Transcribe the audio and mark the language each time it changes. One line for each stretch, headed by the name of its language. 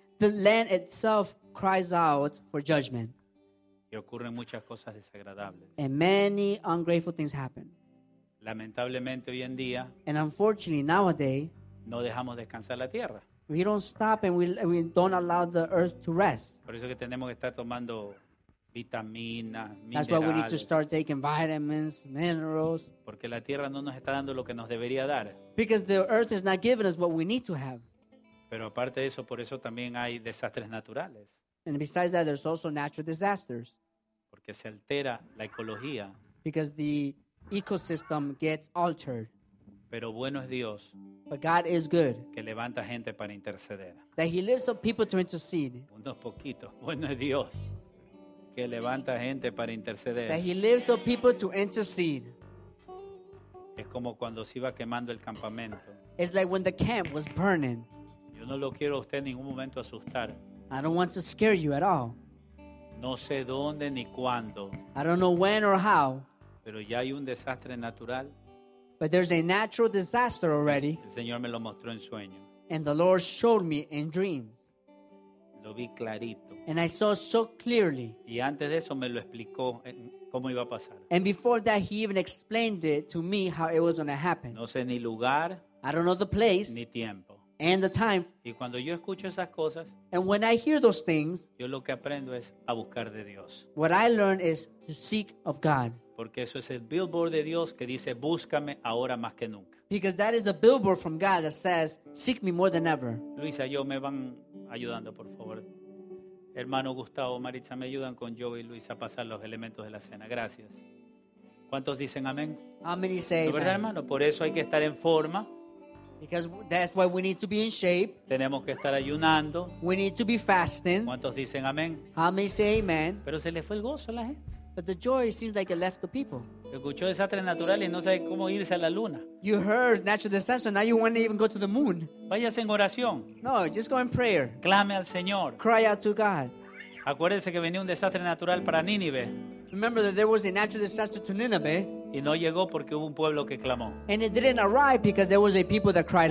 English: The land itself cries out for judgment.
Spanish: Y ocurren muchas cosas desagradables.
English: And many ungrateful things happen.
Spanish: Lamentablemente hoy en día,
English: and unfortunately nowadays,
Spanish: no dejamos descansar la tierra.
English: We don't stop and we don't allow the earth to rest.
Spanish: Por eso que tenemos que estar tomando vitaminas, minerales.
English: That's why we need to start taking vitamins, minerals.
Spanish: Porque la tierra no nos está dando lo que nos debería dar.
English: Because the earth is not giving us what we need to have.
Spanish: Pero aparte de eso, por eso también hay desastres naturales.
English: And besides that, there's also natural disasters.
Spanish: Porque se altera la ecología.
English: Because the ecosystem gets altered.
Spanish: Pero bueno es Dios.
English: But God is good.
Spanish: Que levanta gente para interceder.
English: That he lifts up people to intercede.
Spanish: Unos poquitos. Bueno es Dios. Que levanta gente para interceder.
English: That he lifts up people to intercede.
Spanish: Es como cuando se iba quemando el campamento.
English: It's like when the camp was burning.
Spanish: Yo no lo quiero a usted en ningún momento asustar.
English: I don't want to scare you at all.
Spanish: No sé dónde ni cuándo.
English: I don't know when or how.
Spanish: Pero ya hay un desastre natural.
English: But there's a natural disaster already.
Spanish: El Señor me lo mostró en sueño.
English: And the Lord showed me in dreams.
Spanish: Lo vi clarito.
English: And I saw so clearly.
Spanish: Y antes de eso me lo explicó cómo iba a pasar.
English: And before that, he even explained it to me how it was going to happen.
Spanish: No sé ni lugar.
English: I don't know the place.
Spanish: Ni tiempo.
English: And the time.
Spanish: Y cuando yo escucho esas cosas,
English: and when I hear those things,
Spanish: yo lo que aprendo es a buscar de Dios.
English: What I learn is to seek of God.
Spanish: Porque eso es el billboard de Dios que dice, búscame ahora más que nunca.
English: Because that is the billboard from God that says, seek me more than ever.
Spanish: Luisa, yo me van ayudando, por favor. Hermano Gustavo, Maritza, me ayudan con Joey y Luisa a pasar los elementos de la cena. Gracias. ¿Cuántos dicen amén?
English: How many say amen?
Spanish: ¿No, verdad, hermano? Por eso hay que estar en forma.
English: Because that's why we need to be in shape.
Spanish: Tenemos que estar ayunando.
English: We need to be fasting.
Spanish: ¿Cuántos dicen amén?
English: How many say amen?
Spanish: Pero se le fue el gozo a la gente.
English: But the joy seems like it left the people.
Spanish: Escuchó desastre natural y no sabe cómo irse a la luna.
English: You heard natural disaster, now you want to even go to the moon.
Spanish: Váyase en oración.
English: No, just go in prayer.
Spanish: Clame al Señor.
English: Cry out to God.
Spanish: Acuérdese que venía un desastre natural para Nínive.
English: Remember that there was a natural disaster to Nineveh.
Spanish: Y no llegó porque hubo un pueblo que clamó.
English: And it didn't arrive because there was a people that cried